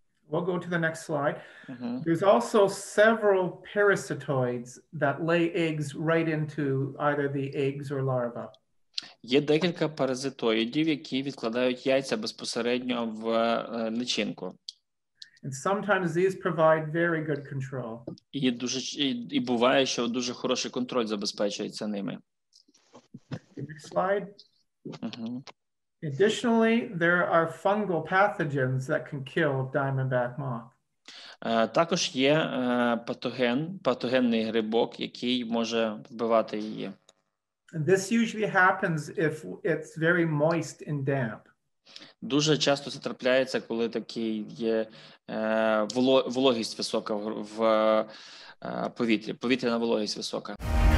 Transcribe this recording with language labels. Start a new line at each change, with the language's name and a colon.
English: We'll go to the next slide. Mm-hmm. There's also several parasitoids that lay eggs right into either the eggs or larva.
Ukrainian: Є декілька паразитоїдів, які відкладають яйця безпосередньо в личинку.
English: And sometimes these provide very good control.
Ukrainian: І буває, що дуже хороший контроль забезпечується ними.
English: Next slide. Mm-hmm. Additionally, there are fungal pathogens that can kill diamondback moth.
Ukrainian: Також є патогенний грибок, який може вбивати її.
English: And this usually happens if it's very moist and damp.
Ukrainian: Дуже часто це трапляється, коли такий є вологість висока в повітрі. Повітряна вологість висока.